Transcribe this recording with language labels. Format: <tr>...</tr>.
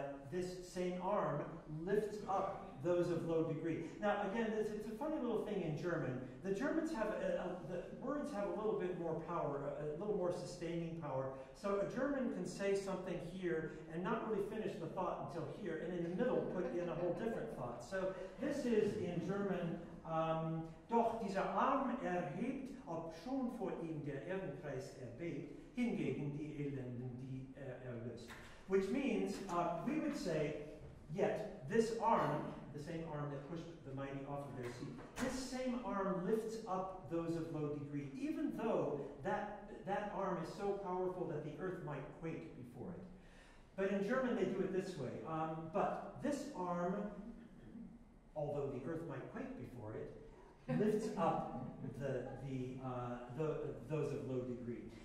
<en>this same arm lifts up those of low degree. Now, again, it's a funny little thing in German. The Germans have, the words have a little bit more power, a little more sustaining power. So a German can say something here and not really finish the thought until here, and in the middle put in a whole different thought. So this is in German,</en> <de>doch dieser Arm erhebt, obschon vor ihm der Ehrenkreis erbebt, hingegen die Elenden, die erlöst.</de> <en>Which means, we would say, yet this arm, the same arm that pushed the mighty off of their seat, this same arm lifts up those of low degree, even though that arm is so powerful that the earth might quake before it. But in German they do it this way. But this arm, although the earth might quake before it, lifts up those of low degree.</en>